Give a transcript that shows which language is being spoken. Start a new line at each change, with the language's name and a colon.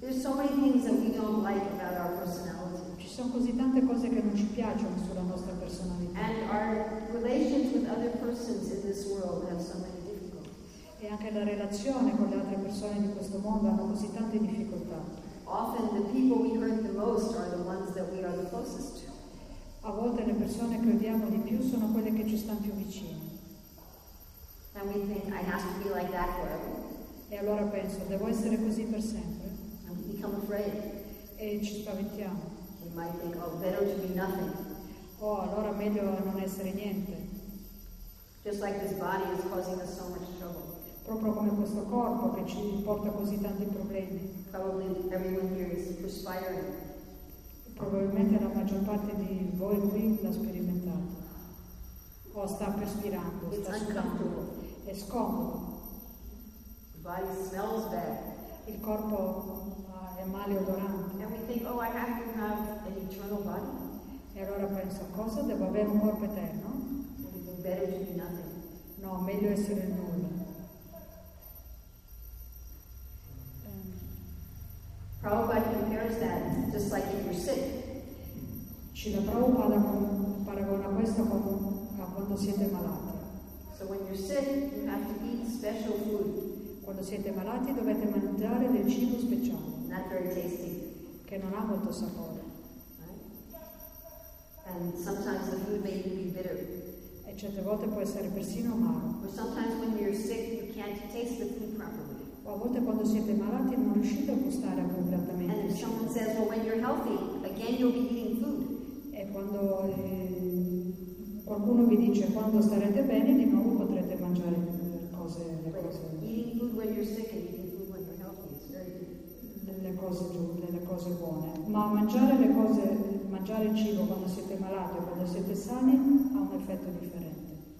English: There's so many things that we don't like about our personality.
Italian: Ci sono così tante cose che non ci piacciono sulla nostra personalità.
English: And our relations with other persons in this world have so many difficulties.
Italian: E anche la relazione con le altre persone di questo mondo hanno così tante difficoltà.
English: Often the people we hurt the most are the ones that we are the closest to.
Italian: A volte le persone che odiamo di più sono quelle che ci stanno più vicine.
English: And we think, I have to be like that forever.
Italian: E allora penso, devo essere così per sempre.
English: And we become afraid.
Italian: E ci spaventiamo.
English: We might think, oh, better to be nothing.
Italian: Oh, allora meglio non essere niente.
English: Just like this body is causing us so much trouble.
Italian: Proprio come questo corpo che ci porta così tanti problemi.
English: Probably everyone here is perspiring.
Italian: Probabilmente la maggior parte di voi qui l'ha sperimentato. O sta perspirando.
English: It's uncomfortable.
Italian: È scomodo.
English: The body smells bad.
Italian: Il corpo è maleodorante.
English: And we think, oh, I have to have an eternal body.
Italian: E allora penso, cosa? Devo avere un corpo eterno?
English: Better to be nothing.
Italian: No, meglio essere nulla.
English: Prabhupada compares that just like if you're sick.
Italian: Srila Prabhupada paragona questo come a quando siete malati.
English: So when you're sick, you have to eat special food.
Italian: Quando siete malati dovete mangiare del cibo speciale.
English: Not very tasty.
Italian: Che non ha molto sapore.
English: Right? And sometimes the food may even be bitter.
Italian: E certe volte può essere persino amaro.
English: Or sometimes when you're sick, you can't taste the food properly.
Italian: O a volte quando siete malati non riuscite a gustare completamente.
English: And if someone says, well, when you're healthy, again you'll be eating food.
Italian: E quando qualcuno vi dice quando starete bene di nuovo potrete mangiare le cose buone, ma mangiare il cibo quando siete malati o quando siete sani ha un effetto differente.